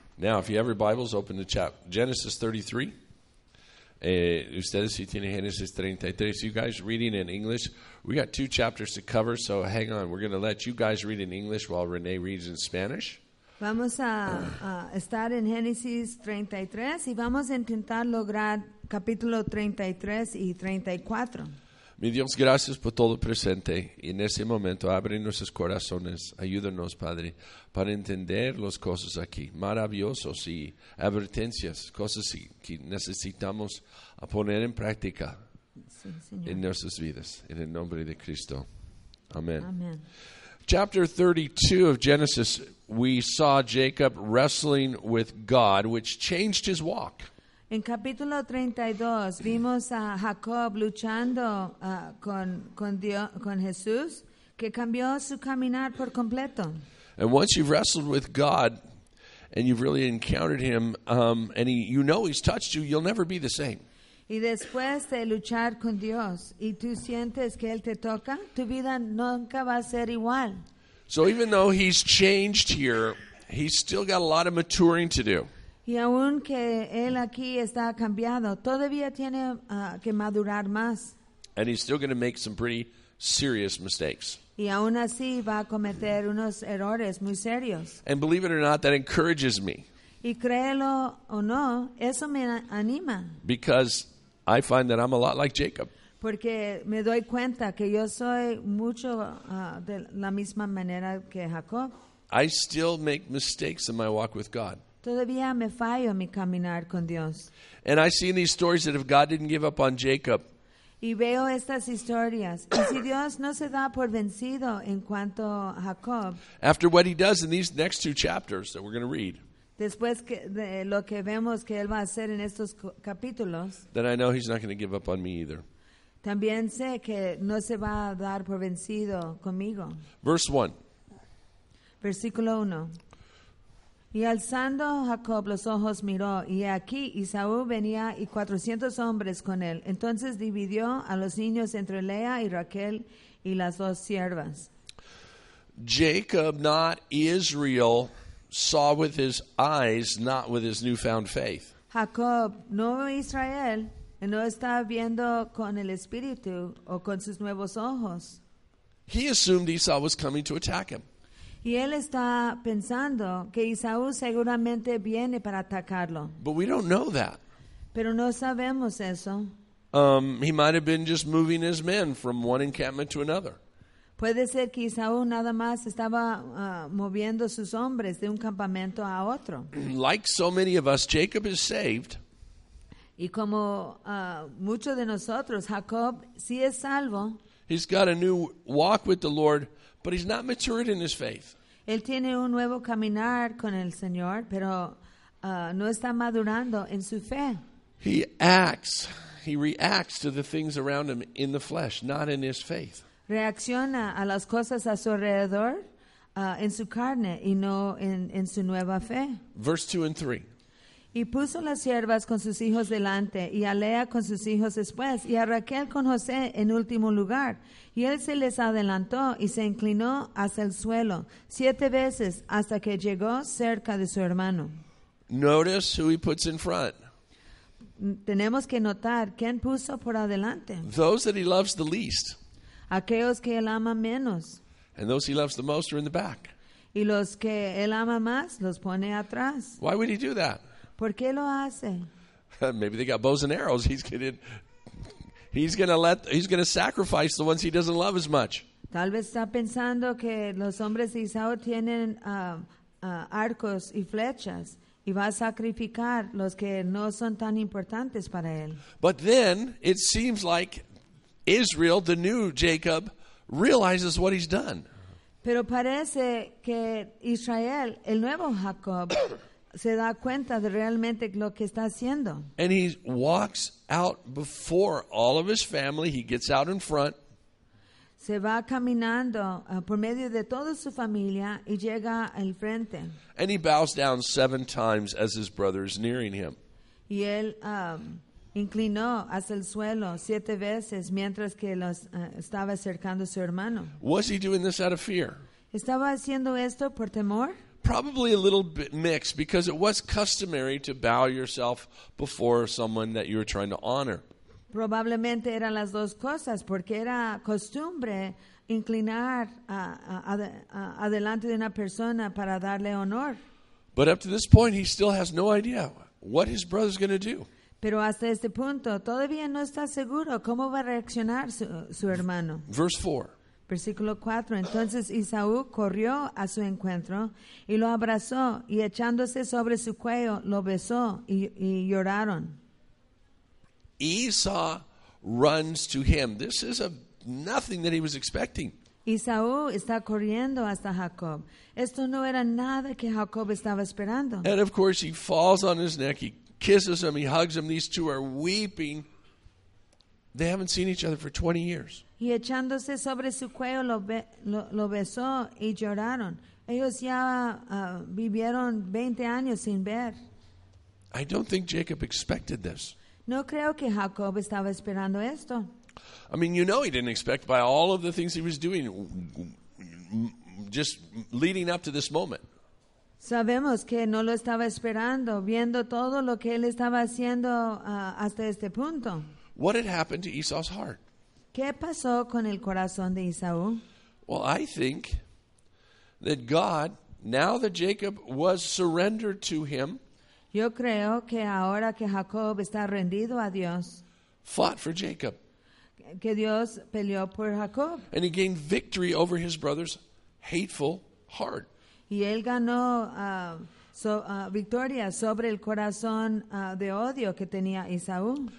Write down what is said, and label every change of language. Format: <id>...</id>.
<en>Now, if you have your Bibles, open the chapter.</en> <es>Genesis 33. Ustedes si tienen Genesis 33.</es> <en>So you guys reading in English. We got two chapters to cover, so hang on. We're going to let you guys read in English while Renee reads in Spanish.</en> <es>Vamos a estar en Génesis 33 y vamos a intentar lograr capítulo 33 y 34. Mi Dios, gracias por todo presente. Y en ese momento, abre nuestros corazones. Ayúdanos, Padre, para entender las cosas aquí. Maravillosos y advertencias, cosas que necesitamos poner en práctica sí, en nuestras vidas. En el nombre de Cristo. Amén. Amén.</es> <en>Chapter 32 of Genesis, we saw Jacob wrestling with God, which changed his walk.</en> <es>En capítulo 32 vimos a Jacob luchando con Dios, con Jesús, que cambió su caminar por completo.</es> <en>And once you've wrestled with God and you've really encountered him and he he's touched you, you'll never be the same.</en> <es>Y después de luchar con Dios y tú sientes que Él te toca, tu vida nunca va a ser igual.</es> <en>So even though he's changed here, he's still got a lot of maturing to do.</en> <es>Y aun que Él aquí está cambiado, todavía tiene que madurar más.</es> <en>And he's still going to make some pretty serious mistakes.</en> <es>Y aun así va a cometer unos errores muy serios.</es> <en>And believe it or not, that encourages me.</en> <es>Y créelo o no, eso me anima.</es> <en>Because I find that I'm a lot like Jacob.</en> <es>Porque me doy cuenta que yo soy mucho de la misma manera que Jacob.</es> <en>I still make mistakes in my walk with God.</en> <es>Todavía me fallo en mi caminar con Dios.</es> <en>And I see in these stories that if God didn't give up on Jacob.</en> <es>Y veo estas historias. Y si Dios no se da por vencido en cuanto a Jacob.</es> <en>After what he does in these next two chapters that we're going to read.</en> <es>Después de lo que vemos que él va a hacer en estos capítulos.</es> <en>Then I know he's not going to give up on me either.</en> <es>También sé que no se va a dar por vencido conmigo.</es> <en>Verse 1.</en> <es>Versículo 1. Y alzando Jacob los ojos miró, y aquí Esaú venía y 400 hombres con él. Entonces dividió a los niños entre Lea y Raquel y las dos siervas.</es> <en>Jacob, not Israel, saw with his eyes, not with his newfound faith.</en> <es>Jacob, no Israel, no está viendo con el espíritu o con sus nuevos ojos.</es> <en>He assumed Esau was coming to attack him.</en> <es>Y él está pensando que Esau seguramente viene para atacarlo.</es> <en>But we don't know that.</en> <es>Pero no sabemos eso.</es> <en>He might have been just moving his men from one encampment to another.</en> <es>Puede ser que Esaú nada más estaba moviendo sus hombres de un campamento a otro.</es> <en>Like so many of us, Jacob is saved.</en> <es>Y como muchos de nosotros, Jacob sí es salvo.</es> <en>He's got a new walk with the Lord, but he's not matured in his faith.</en> <es>Él tiene un nuevo caminar con el Señor, pero no está madurando en su fe.</es> <en>He reacts to the things around him in the flesh, not in his faith.</en> <es>Reacciona a las cosas a su alrededor en su carne y no en su nueva fe.</es> <en>Verse 2 and 3.</en> <es>Y puso las siervas con sus hijos delante y a Lea con sus hijos después y a Raquel con José en último lugar. Y él se les adelantó y se inclinó hacia el suelo 7 veces hasta que llegó cerca de su hermano.</es> <en>Notice who he puts in front.</en> <es>Tenemos que notar quién puso por adelante.</es> <en>Those that he loves the least.</en> <es>Aquellos que él ama menos.</es> <en>And those he loves the most are in the back.</en> <es>Y los que él ama más los pone atrás.</es> <en>Why would he do that?</en> <es>¿Por qué lo hace?</es> <en>Maybe they got bows and arrows. He's going to sacrifice the ones he doesn't love as much.</en> <es>Tal vez está pensando que los hombres de Esau tienen arcos y flechas y va a sacrificar los que no son tan importantes para él.</es> <en>But then it seems like Israel, the new Jacob, realizes what he's done.</en> <es>Pero parece que Israel, el nuevo Jacob, se da cuenta de realmente lo que está haciendo.</es> <en>And he walks out before all of his family. He gets out in front.</en> <es>Se va caminando por medio de toda su familia y llega al frente.</es> <en>And he bows down 7 times as his brother is nearing him.</en> <es>Y él inclinó hacia el suelo 7 veces mientras que los estaba acercando a su hermano.</es> <en>Was he doing this out of fear?</en> <es>¿Estaba haciendo esto por temor?</es> <en>probably a little bit mixed because it was customary to bow yourself before someone that you were trying to honor.</en> <es>Probablemente eran las dos cosas porque era costumbre inclinar adelante de una persona para darle honor.</es> <en>But up to this point, he still has no idea what his brother's going to do.</en> <es>Pero hasta este punto, todavía no está seguro cómo va a reaccionar su hermano.</es> <en>Verse 4.</en> <es>Versículo 4. Entonces Esaú corrió a su encuentro y lo abrazó y echándose sobre su cuello, lo besó y lloraron.</es> <en>Esau runs to him. This is nothing that he was expecting.</en> <es>Esaú está corriendo hasta Jacob. Esto no era nada que Jacob estaba esperando.</es> <en>And of course he falls on his neck, he kisses him, he hugs him. These two are weeping. They haven't seen each other for 20 years.</en> <es>Y echándose sobre su cuello lo besó y lloraron. Ellos ya vivieron 20 años sin ver.</es> <en>I don't think Jacob expected this.</en> <es>No creo que Jacob estaba esperando esto.</es> <en>I mean, you know he didn't expect by all of the things he was doing just leading up to this moment.</en> <es>Sabemos que no lo estaba esperando, viendo todo lo que él estaba haciendo hasta este punto.</es> <en>What had happened to Esau's heart?</en> <es>¿Qué pasó con el corazón de Esaú?</es> <en>Well, I think that God, now that Jacob was surrendered to him,</en> <es>yo creo que ahora que Jacob está rendido a Dios,</es> <en>fought for Jacob.</en> <es>Que Dios peleó por Jacob.</es> <en>And he gained victory over his brother's hateful heart.</en> <es>Y él ganó victoria sobre el corazón de odio que tenía Esaú.</es>